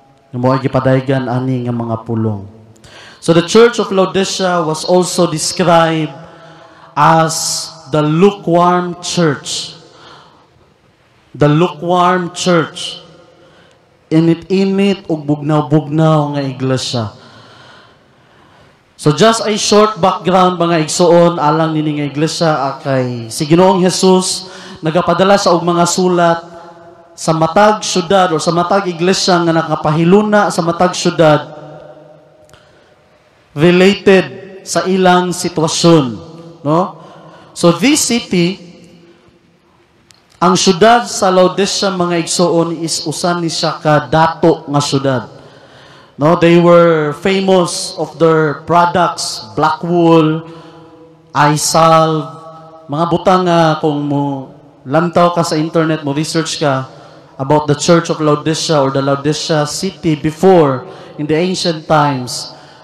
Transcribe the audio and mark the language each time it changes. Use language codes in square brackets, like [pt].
[ceb] Mao'y gipadayagan ani nga mga pulong. [en] So the Church of Laodicea was also described as the lukewarm church. The lukewarm church. [ceb] Init-init og bugnaw-bugnaw nga iglesia. [en] So just a short background [ceb] mga igsoon alang nini nga iglesia kay si Ginoong Jesus nagapadala sa og mga sulat sa matag syudad o sa matag iglesia nga nakapahiluna sa matag syudad related sa ilang sitwasyon, no? [en] So this city, [ceb] ang syudad sa Laodicea mga igsoon is usan ni siya ka dato nga syudad. [en] No, they were famous of their products, black wool, eye salve, [ceb] mga butang kung mo lantaw ka sa internet, mo research ka [en] about the Church of Laodicea or the Laodicea city before in the ancient times.